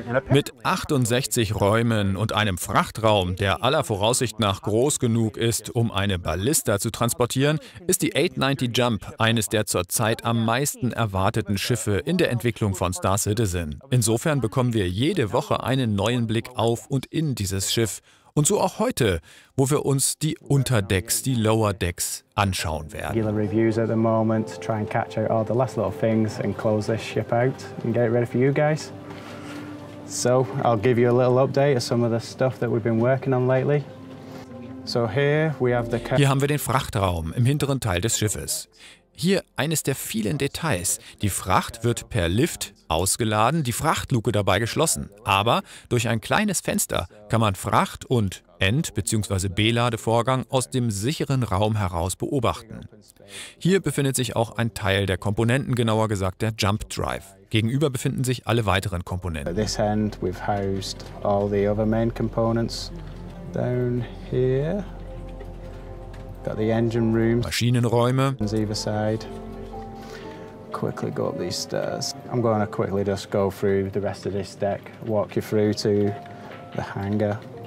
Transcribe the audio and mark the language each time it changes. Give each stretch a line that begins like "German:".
German: Mit 68 Räumen und einem Frachtraum, der aller Voraussicht nach groß genug ist, um eine Ballista zu transportieren, ist die 890 Jump eines der zurzeit am meisten erwarteten Schiffe in der Entwicklung von Star Citizen. Insofern bekommen wir jede Woche einen neuen Blick auf und in dieses Schiff. Und so auch heute, wo wir uns die Unterdecks, die Lower Decks anschauen werden.
English: Regular reviews at the moment, try and catch out all the last little things and close this ship out and get it ready for you guys. So, I'll give you a little update of some of the stuff that we've been working on lately. So here we have the.
German: Hier haben wir den Frachtraum im hinteren Teil des Schiffes. Hier eines der vielen Details. Die Fracht wird per Lift ausgeladen, die Frachtluke dabei geschlossen. Aber durch ein kleines Fenster kann man Fracht- und End- bzw. Beladevorgang aus dem sicheren Raum heraus beobachten. Hier befindet sich auch ein Teil der Komponenten, genauer gesagt der Jump Drive. Gegenüber befinden sich alle weiteren Komponenten.
English: At this end we've housed all the other main components down here.
German: Maschinenräume.
English: quickly go up these stairs. I'm going to quickly just go through the rest of this deck, walk you through to the hangar.